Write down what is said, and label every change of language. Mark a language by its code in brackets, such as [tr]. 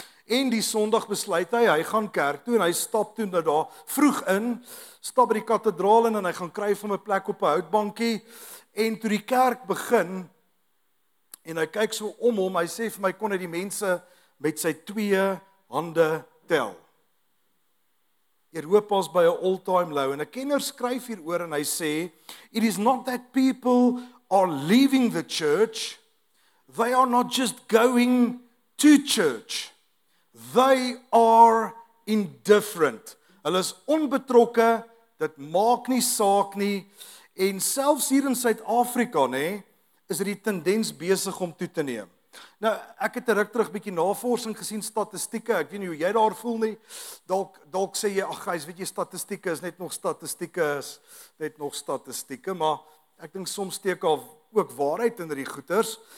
[af] En die Sondag besluit hy, hy gaan kerk toe en hy stap toe na daar vroeg in, stap by die kathedraal in en hy gaan kry van 'n plek op 'n houtbankie en toe die kerk begin en hy kyk so om hom, hy sê vir my, kon hy die mense met sy twee hande tel. Europa is by 'n all-time low, en 'n kenner skryf hieroor, en hy sê, [en] it is not that people are leaving the church, they are not just going to church, they are indifferent. [af] Hulle is onbetrokke, dit maak nie saak nie, en selfs hier in Suid-Afrika, nê, is die tendens besig om toe te neem. Nou, ek het 'n ruk terug bietjie navorsing gesien, statistieke, ek weet nie hoe jy daar voel nie, dalk sê jy, ag gys, weet jy, statistieke is net nog statistieke, maar ek dink soms steek al ook waarheid in die goeters.